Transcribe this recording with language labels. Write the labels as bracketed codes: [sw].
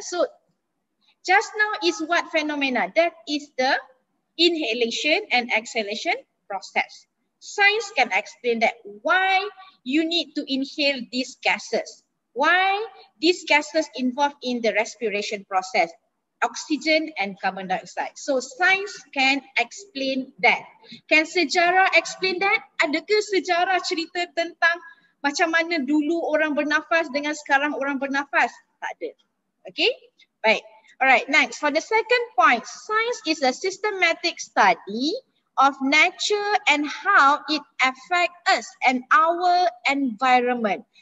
[en] So, just now is what phenomena? That is the inhalation and exhalation process. Science can explain that why you need to inhale these gases. Why these gases involved in the respiration process, oxygen and carbon dioxide. So science can explain that. Can sejarah explain that? [ms] Adakah sejarah cerita tentang macam mana dulu orang bernafas dengan sekarang orang bernafas? Tak ada. Okay? Baik. [en] Alright, next. For the second point, science is a systematic study of nature and how it affects us and our environment.